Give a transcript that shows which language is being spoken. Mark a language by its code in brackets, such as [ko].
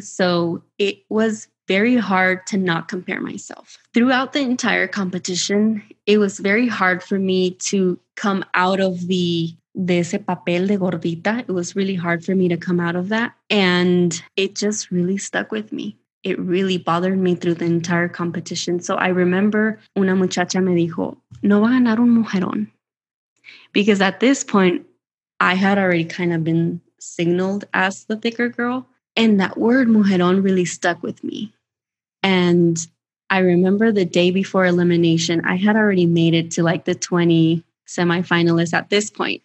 [en] So it was very hard to not compare myself. Throughout the entire competition, it was very hard for me to come out of [es] de ese papel de gordita. [en] It was really hard for me to come out of that. And it just really stuck with me. It really bothered me through the entire competition. So I remember [es] una muchacha me dijo, "No va a ganar un mujerón." [en] Because at this point, I had already kind of been signaled as the thicker girl. And that word mujerón really stuck with me. And I remember the day before elimination, I had already made it to like the 20 semifinalists at this point.